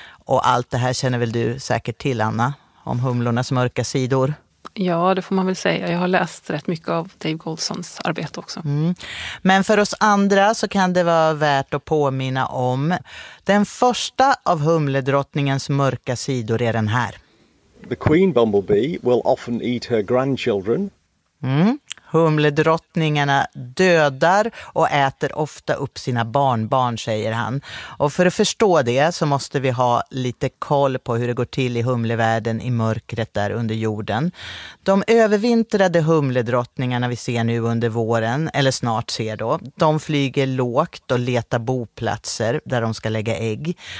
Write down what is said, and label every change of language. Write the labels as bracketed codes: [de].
[sv] Och allt det här känner väl du säkert till, Anna, om humlornas mörka sidor? Ja, det får man väl säga. Jag har läst rätt mycket av Dave Goldsons arbete också. Mm. Men för oss andra så kan det vara värt att påminna om. Den första av humledrottningens mörka sidor är den här. [en] The queen bumblebee will often eat her grandchildren. Mm. [sv] Humledrottningarna dödar och äter ofta upp sina barnbarn, säger han. Och för att förstå det så måste vi ha lite koll på hur det går till i humlevärlden i mörkret där under jorden. De övervintrade humledrottningarna vi ser nu under våren, eller snart ser då, de flyger lågt och letar boplatser där de ska lägga ägg.